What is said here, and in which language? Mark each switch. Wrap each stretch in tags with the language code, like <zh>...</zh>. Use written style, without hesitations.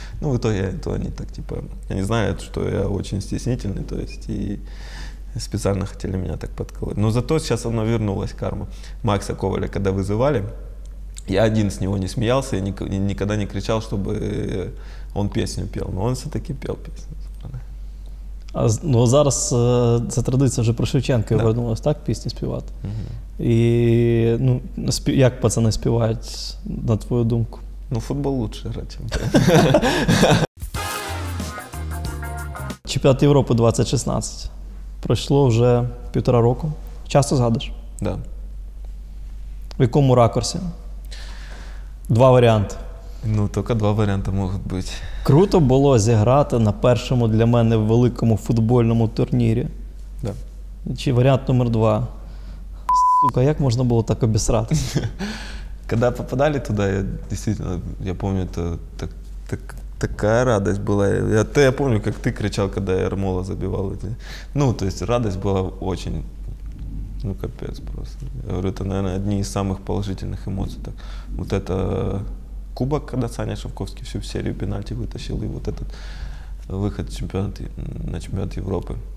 <ru>Ну, в итоге, то они так, типа, они знают, что я очень стеснительный, то есть, и... Специально хотели меня так подколоть. Но зато сейчас оно вернулось, карма. Макса Коваля, когда вызывали, я один с него не смеялся и никогда не кричал, чтобы он песню пел. Но он все-таки пел песню.</ru> <uk>А, ну, зараз ця традиція вже про Шевченка да. Вернулась, так, пісні співати? Угу. І, ну, як пацани співають, на твою думку?</uk> <ru>Ну, футбол лучше грати, чем</ru> <uk>Чемпіонат Європи 2016. Пройшло вже 1,5 року. Часто згадуєш? Да. В якому ракурсі? Два варіанти. Ну, тільки два варіанти можуть бути. Круто було зіграти на першому для мене великому футбольному турнірі. Да. Чи варіант номер два? Сука, як можна було так обісратися?</uk> <ru>Когда попадали туда, я действительно, я помню, это такая радость была. Я помню, как ты кричал, когда я Ермола забивал. Ну, то есть радость была очень, ну, капец просто. Я говорю, это, наверное, одни из самых положительных эмоций. Так, вот это кубок, когда Саня Шовковский всю серию пенальти вытащил, и вот этот выход на чемпионат Европы.</ru>